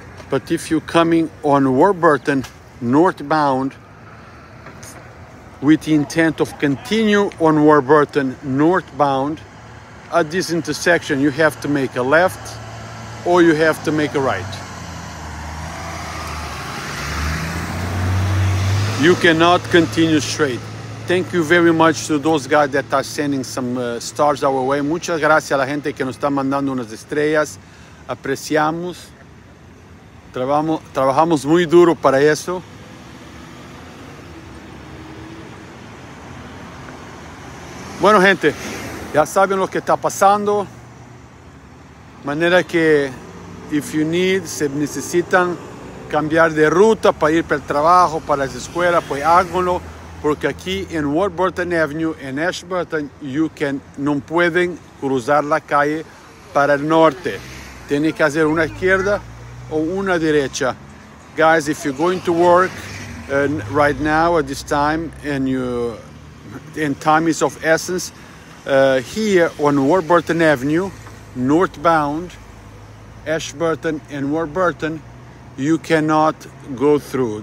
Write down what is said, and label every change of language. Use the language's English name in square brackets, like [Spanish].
[English] But if you're coming on Warburton northbound with the intent of continue on Warburton northbound, at this intersection you have to make a left or you have to make a right. You cannot continue straight. Thank you very much to those guys that are sending some stars our way. [Spanish] Muchas gracias a la gente que nos está mandando unas estrellas. Apreciamos. Trabajamos muy duro para eso. Bueno, gente, ya saben lo que está pasando. Manera que, [English] if you need, [Spanish] se necesitan cambiar de ruta para ir para el trabajo, para las escuelas, pues háganlo. Porque aquí en Warburton Avenue, en Ashburton, [English] you can, [Spanish] no pueden cruzar la calle para el norte. Tienen que hacer una izquierda o una derecha. [English] Guys, if you're going to work right now at this time and you and time is of essence, here on Warburton Avenue, northbound, Ashburton and Warburton, you cannot go through.